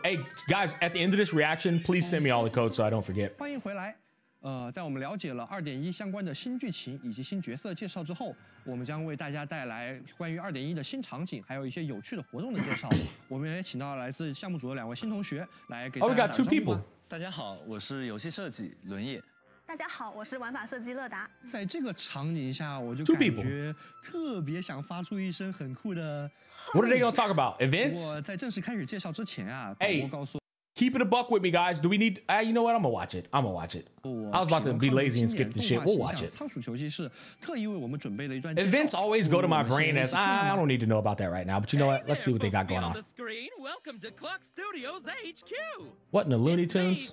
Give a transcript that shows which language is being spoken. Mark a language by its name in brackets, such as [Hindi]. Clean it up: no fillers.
[English] Hey, guys, at the end of this reaction, please send me all the codes so I don't forget. [Chinese] 欢迎回来，在我们了解了 2.1 相关的新剧情以及新角色介绍之后，我们将为大家带来关于 2.1 的新场景，还有一些有趣的活动的介绍。我们也请到来自项目组的两位新同学来给大家。Oh, [English] we got two people. [Chinese] 大家好，我是游戏设计轮叶。大家好，我是玩法设计乐达。在这个场景下，我就感觉特别想发出一声很酷的。 [English] What are they gonna talk about? Events? [Chinese] 我在正式开始介绍之前啊，哎，我告诉 [English] keep it a buck with me, guys. Do we need... you know what? I'm going to watch it. I was about to be lazy and skip the shit. We'll watch it. Events always go to my brain as, I don't need to know about that right now. But you know what? Let's see what they got going on. Welcome to Clock Studios HQ. What in the Looney Tunes?